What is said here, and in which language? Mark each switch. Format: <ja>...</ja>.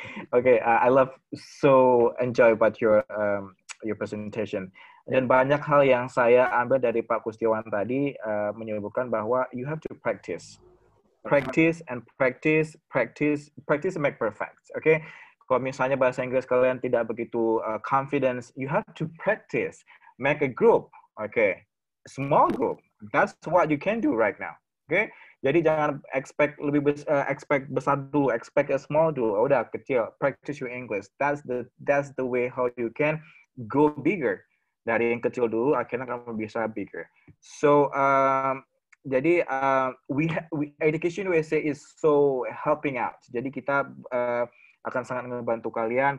<en>Okay, I love so enjoy about your presentation.</en> <id>Dan banyak hal yang saya ambil dari Pak Gustiwan tadi menyebutkan bahwa</id> <en>you have to practice. Practice and practice, practice, practice and make perfect.</en> <id>Okay, kalau misalnya bahasa Inggris kalian tidak begitu confidence,</id> <en>you have to practice, make a group. Okay, small group. That's what you can do right now.</en> <id>Okay, jadi jangan expect lebih expect besar dulu,</id> <en>expect a small</en> <id>dulu. Oh, udah kecil.</id> <en>Practice your English. That's the way how you can go bigger.</en> <id>Dari yang kecil dulu, akhirnya kamu bisa bigger. So.</id> <en>Jadi education USA is so helping out.</en> <id>Jadi kita akan sangat membantu kalian.</id>